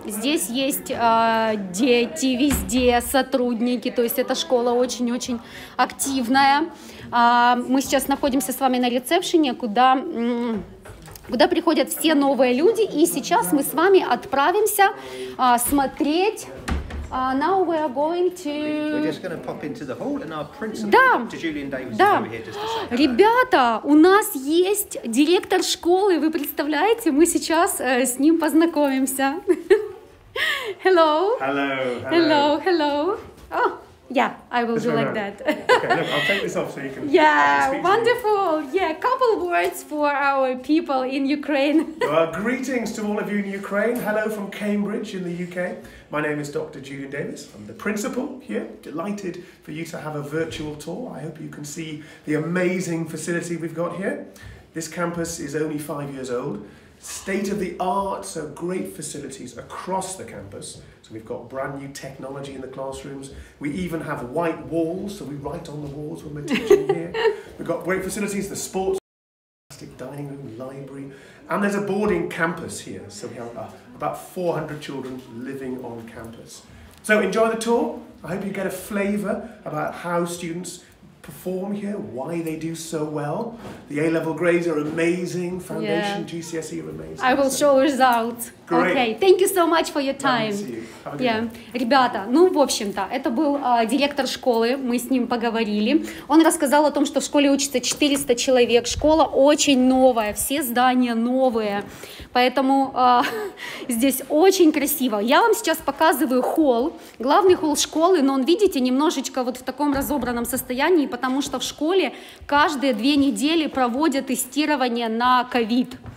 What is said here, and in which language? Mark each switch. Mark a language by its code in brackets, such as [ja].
[ru] Здесь есть дети везде, сотрудники, то есть эта школа очень-очень активная. Мы сейчас находимся с вами на ресепшене, куда приходят все новые люди, и сейчас мы с вами отправимся смотреть... [en] now we are going to... We're just going to pop into the hall, and our principal, [ru] да. [en] Julian Davis, [ru] да. [en] is over here just to say hello. [ru] Ребята, у нас есть директор школы, вы представляете? Мы сейчас с ним познакомимся. [en] Hello. Hello. Hello. Hello. Hello. Oh, yeah, I will do like that. Okay, look, I'll take this off so you can... Yeah, wonderful. Yeah, a couple words for our people in Ukraine. Well, greetings to all of you in Ukraine. Hello from Cambridge in the UK. My name is Dr. Julian Davis. I'm the principal here. Delighted for you to have a virtual tour. I hope you can see the amazing facility we've got here. This campus is only 5 years old. State of the art, so great facilities across the campus. So we've got brand new technology in the classrooms. We even have white walls, so we write on the walls when we're teaching here. We've got great facilities, the sports, fantastic dining room, library. And there's a boarding campus here, so we have about 400 children living on campus. So enjoy the tour. I hope you get a flavour about how students perform here, why they do so well. The A-level grades are amazing, foundation, yeah. GCSE are amazing. I will show results. Great. Okay, thank you so much for your time. Nice to see you. Have a yeah. day. [ru] Ребята, ну, в общем-то, это был директор школы, мы с ним поговорили. Он рассказал о том, что в школе учится 400 человек, школа очень новая, все здания новые, поэтому здесь очень красиво. Я вам сейчас показываю холл, главный холл школы, но он, видите, немножечко вот в таком разобранном состоянии, потому что в школе каждые 2 недели проводят тестирование на COVID.